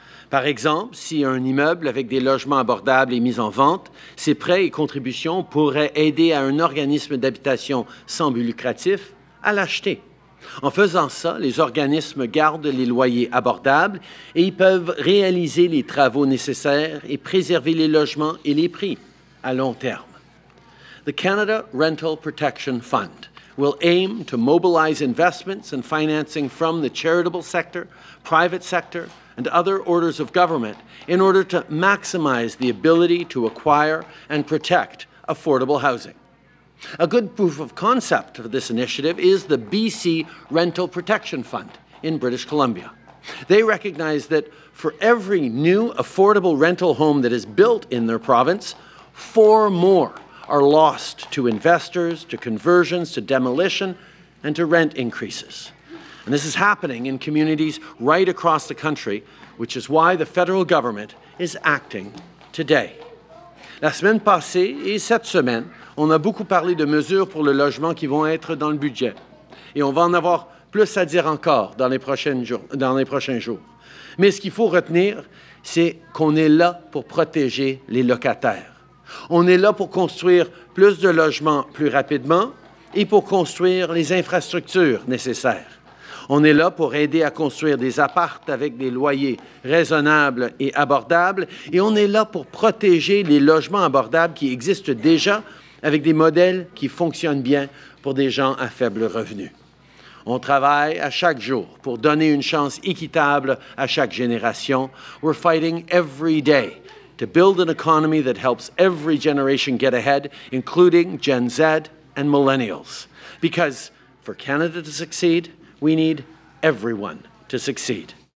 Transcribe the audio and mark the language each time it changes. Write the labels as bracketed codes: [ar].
[fr] Par exemple, si un immeuble avec des logements abordables est mis en vente, ces prêts et contributions pourraient aider à un organisme d'habitation sans but lucratif à l'acheter. En faisant ça, les organismes gardent les loyers abordables et ils peuvent réaliser les travaux nécessaires et préserver les logements et les prix à long terme. [en] The Canada Rental Protection Fund will aim to mobilize investments and financing from the charitable sector, private sector, and other orders of government in order to maximize the ability to acquire and protect affordable housing. A good proof of concept for this initiative is the BC Rental Protection Fund in British Columbia. They recognize that for every new affordable rental home that is built in their province, four more are lost to investors, to conversions, to demolition, and to rent increases. And this is happening in communities right across the country, which is why the federal government is acting today. [fr] La semaine passée et cette semaine, on a beaucoup parlé de mesures pour le logement qui vont être dans le budget. Et on va en avoir plus à dire encore dans les prochains jours. Mais ce qu'il faut retenir, c'est qu'on est là pour protéger les locataires. On est là pour construire plus de logements plus rapidement et pour construire les infrastructures nécessaires. On est là pour aider à construire des apparts avec des loyers raisonnables et abordables. Et on est là pour protéger les logements abordables qui existent déjà avec des modèles qui fonctionnent bien pour des gens à faible revenu. On travaille à chaque jour pour donner une chance équitable à chaque génération. [en] We're fighting every day to build an economy that helps every generation get ahead, including Gen Z and millennials. Because for Canada to succeed, we need everyone to succeed.